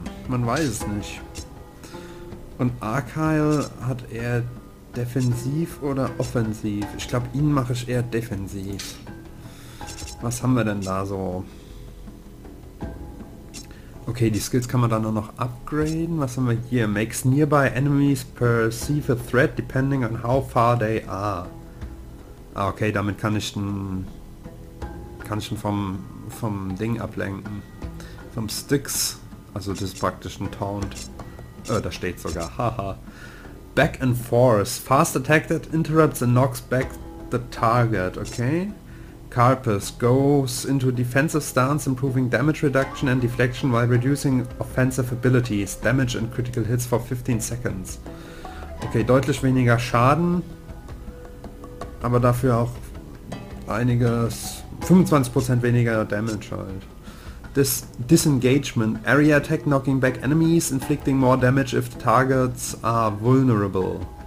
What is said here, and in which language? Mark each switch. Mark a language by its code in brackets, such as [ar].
[de] Man weiß es nicht. Und Archyle hat eher defensiv oder offensiv? Ich glaube, ihn mache ich eher defensiv. Was haben wir denn da so? Okay, die Skills kann man dann nur noch upgraden. Was haben wir hier? [en] Makes nearby enemies perceive a threat depending on how far they are. [de] Ah, okay, damit kann ich den... Kann ich den vom Ding ablenken. Vom Sticks. Also das ist praktisch ein Taunt. Oh, da steht sogar. Haha. [en] Back and forth. Fast attack that interrupts and knocks back the target. Okay. Carpus goes into defensive stance, improving damage reduction and deflection while reducing offensive abilities, damage and critical hits for 15 seconds. [de] Okay, deutlich weniger Schaden, aber dafür auch einiges, 25% weniger Damage halt. [en] This disengagement, area attack knocking back enemies, inflicting more damage if the targets are vulnerable.